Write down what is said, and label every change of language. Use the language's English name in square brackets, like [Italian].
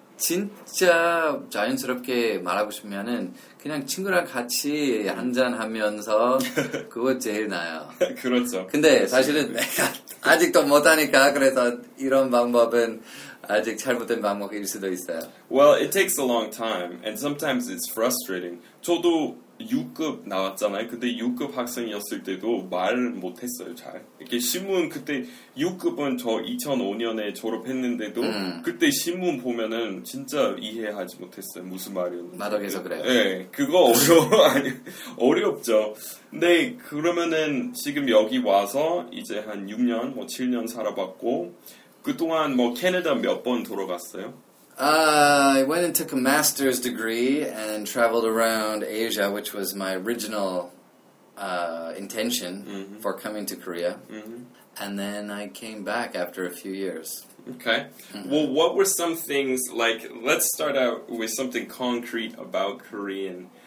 [Korean] 진짜 자연스럽게 말하고 싶으면은 그냥 친구랑 같이 한잔하면서 그거 제일 나아요. 그렇죠. 근데 그렇죠. 사실은 내가 아직도 못하니까 그래서 이런 방법은 아직 잘못된 방법일 수도 있어요. [English] Well, it takes a long time and sometimes it's frustrating. [Korean] 저도 6급 나왔잖아요. 근데 6급 학생이었을 때도 말을 못했어요. 잘. 이렇게 신문 그때 6급은 저 2005년에 졸업했는데도 그때 신문 보면은 진짜 이해하지 못했어요. 무슨 말이었는지. 마덕에서 그래요. 네. 그거 어렵죠. 근데 그러면은 지금 여기 와서 이제 한 6년 뭐 7년 살아봤고 그동안 뭐 캐나다 몇 번 돌아갔어요? [English] I went and took a master's degree and traveled around Asia, which was my original intention for coming to Korea. Mm-hmm. And then I came back after a few years. Okay. Mm-hmm. Well, what were some things, like, let's start out with something concrete about Korean.